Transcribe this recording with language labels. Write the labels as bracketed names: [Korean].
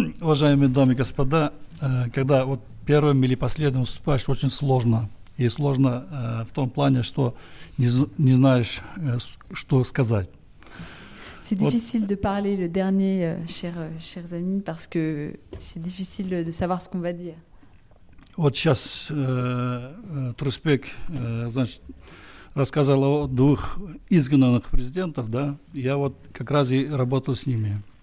[Russian] Уважаемые дамы и господа, когда вот первым или последним выступаешь, очень сложно. И сложно в том плане, что не знаешь, что сказать. [French] C'est difficile de parler le dernier, chers amis, parce que c'est difficile de savoir ce qu'on va dire. [Russian] Вот сейчас Трусбек, значит, рассказал о двух изгнанных президентах, да? Я вот как раз и работал с ними.